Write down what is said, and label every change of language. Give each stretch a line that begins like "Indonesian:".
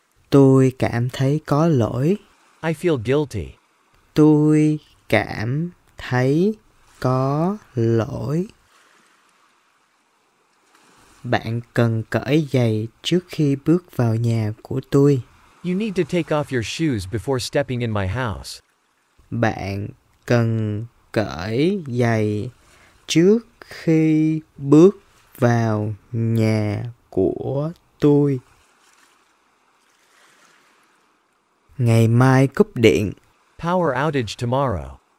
Vietnamese: Tôi cảm thấy có lỗi.
English: I feel guilty.
Vietnamese: Tôi cảm thấy có lỗi. Bạn cần cởi giày trước khi bước vào nhà của tôi.
English: You need to take off your shoes before stepping in my house.
Vietnamese: Bạn cần cởi giày trước khi bước vào nhà của tôi. Ngày mai cúp điện.
English: Power outage tomorrow.